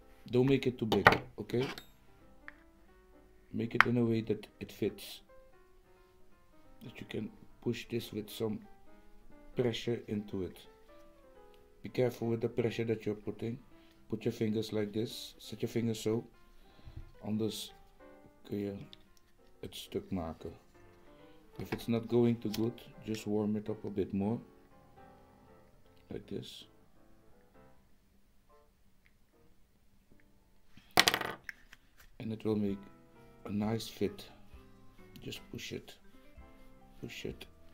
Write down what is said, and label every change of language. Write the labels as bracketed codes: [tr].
[en] Don't make it too big, okay? Make it in a way that it fits. That you can push this with some pressure into it. Be careful with the pressure that you're putting. Put your fingers like this. Set your fingers so. [nl] Anders kun je het stuk maken. [en] If it's not going too good, just warm it up a bit more. Like this. And it will make a nice fit. Just push it. Push it.